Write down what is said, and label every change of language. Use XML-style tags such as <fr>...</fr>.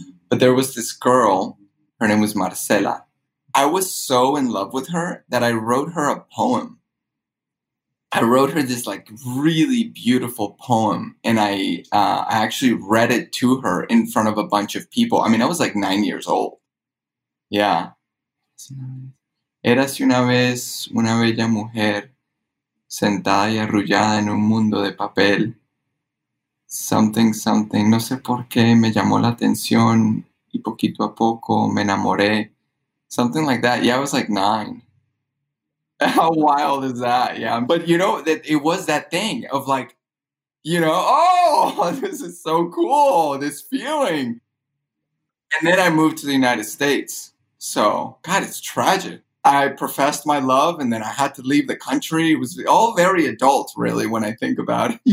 <en>But there was this girl. Her name was Marcela. I was so in love with her that I wrote her a poem. I wrote her this like really beautiful poem, and I actually read it to her in front of a bunch of people. I mean, I was like 9 years old. Yeah.</en> <es>Eras una vez una bella mujer sentada y arrullada en un mundo de papel.</es> <en>Something, something.</en> <es>No sé por qué me llamó la atención y poquito a poco me enamoré.</es> <en>Something like that. Yeah, I was like 9. How wild is that? Yeah. But you know, that it was that thing of like, you know, oh, this is so cool, this feeling. And then I moved to the United States. So, God, it's tragic. I professed my love and then I had to leave the country. It was all very adult, really, when I think about it.</en>